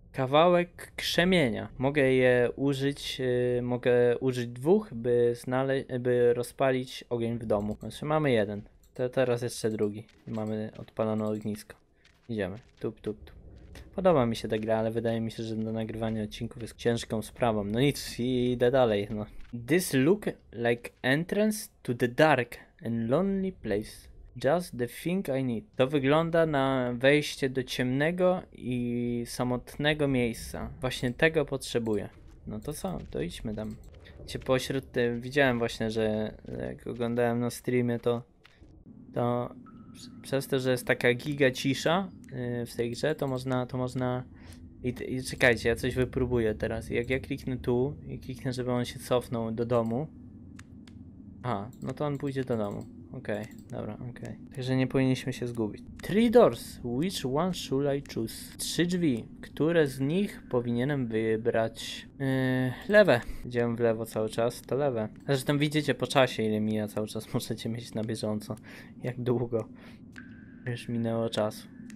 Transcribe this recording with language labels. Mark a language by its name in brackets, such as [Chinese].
[Polish] Kawałek krzemienia. Mogę je użyć, mogę użyć dwóch, by rozpalić ogień w domu. Znaczy, mamy jeden. Teraz jeszcze drugi. Mamy odpalone ognisko. Idziemy. Tup, tup, tup. Podoba mi się ta gra, ale wydaje mi się, że do nagrywania odcinków jest ciężką sprawą. No nic, idę dalej, no. [English] This look like entrance to the dark and lonely place. Just the thing I need. [Polish] To wygląda na wejście do ciemnego i samotnego miejsca. Właśnie tego potrzebuję. No to co, to idźmy tam. Cię pośród, widziałem właśnie, że jak oglądałem na streamie, to przez to, że jest taka giga cisza w tej grze, to można... I czekajcie, ja coś wypróbuję teraz. Jak ja kliknę tu i kliknę, żeby on się cofnął do domu. Aha, no to on pójdzie do domu. Okej, okay, dobra, okej. Okay. Także nie powinniśmy się zgubić. [English] Three doors, which one should I choose? [Polish] Trzy drzwi, które z nich powinienem wybrać? Lewe. Idziemy w lewo cały czas, to lewe. Zresztą widzicie po czasie, ile mija cały czas. Możecie mieć na bieżąco, jak długo już minęło czasu.